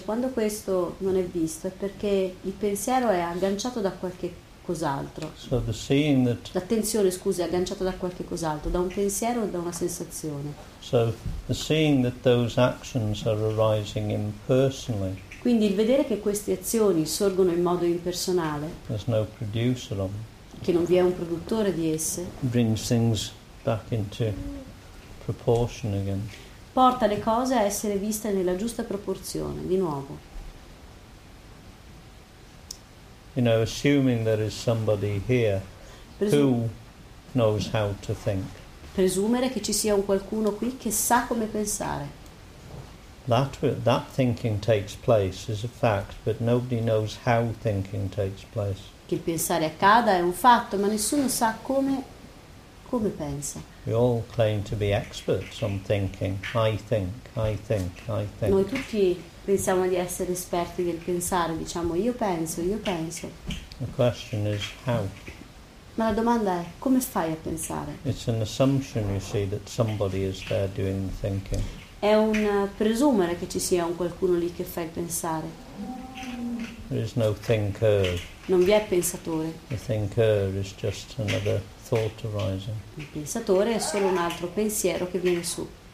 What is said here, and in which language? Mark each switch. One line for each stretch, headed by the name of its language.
Italian: Quando questo non è visto, è perché il pensiero è agganciato da qualche cos'altro.
English: So the seeing that
Italian: l'attenzione, scusi, è agganciata da qualche cos'altro, da un pensiero o da una sensazione.
English: So the seeing that those actions are arising impersonally.
Italian: Quindi il vedere che queste azioni sorgono in modo impersonale, no, che non vi è un produttore di esse,
English: back into again.
Italian: Porta le cose a essere viste nella giusta proporzione, di nuovo.
English: You know, assuming there is somebody here who knows how to think.
Italian: Presumere che ci sia un qualcuno qui che sa come pensare.
English: That thinking takes place is a fact, but nobody knows how thinking takes place.
Italian: Che il pensare accada è un fatto, ma nessuno sa come pensa.
English: We all claim to be experts on thinking. I think.
Italian: Noi tutti pensiamo di essere esperti del pensare, diciamo io penso.
English: The question is how.
Italian: Ma la domanda è come fai a pensare?
English: It's an assumption, you see, that somebody is there doing the thinking.
Italian: È un presumere che ci sia un qualcuno lì che fa il pensare.
English: There is no thinker.
Italian: Non vi è pensatore.
English: The thinker is just another thought arising.
Italian: Il pensatore è solo un altro pensiero che viene su.